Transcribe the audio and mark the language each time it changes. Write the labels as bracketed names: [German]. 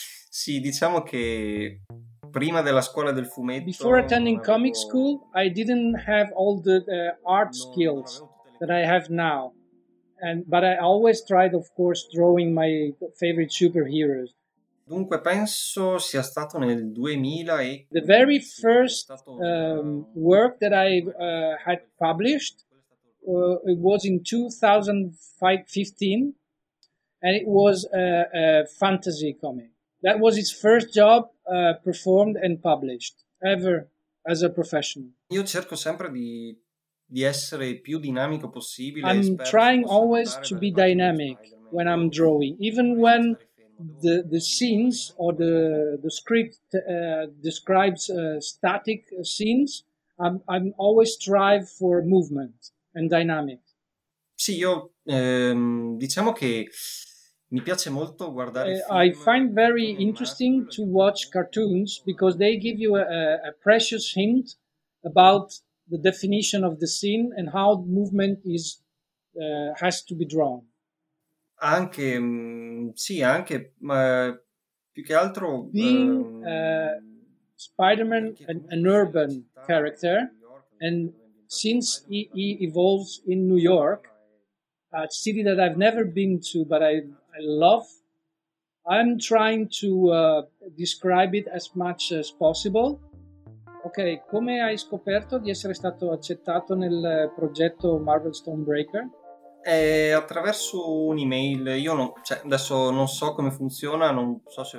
[Italian] Sì, diciamo che prima della scuola del fumetto. [English] Before attending comic school, I didn't have all the art skills that I have now. But I always tried, of course, drawing my favorite superheroes. [Italian] Dunque, penso sia stato nel 2000 e. [English] The very first work that I had published it was in 2015, and it was a fantasy comic. That was his first job performed and published ever as a professional. [Italian] Io cerco sempre di essere più dinamico possibile. [English] I'm trying always to be dynamic when I'm drawing, even when the scenes or the script describes static scenes. I'm always strive for movement and dynamic. [Italian] Sì, io diciamo che. Mi piace molto guardare [English] I find very interesting to watch cartoons because they give you a precious hint about the definition of the scene and how movement is has to be drawn. [Italian] Anche sì, anche ma più che altro [English] being Spider-Man an urban character, and since he evolves in New York, a city that I've never been to, but I love. I'm trying to describe it as much as possible. [Italian] Ok, come hai scoperto di essere stato accettato nel progetto Marvel Stonebreaker? Attraverso un'email. Io non, cioè, adesso non so come funziona, non so se.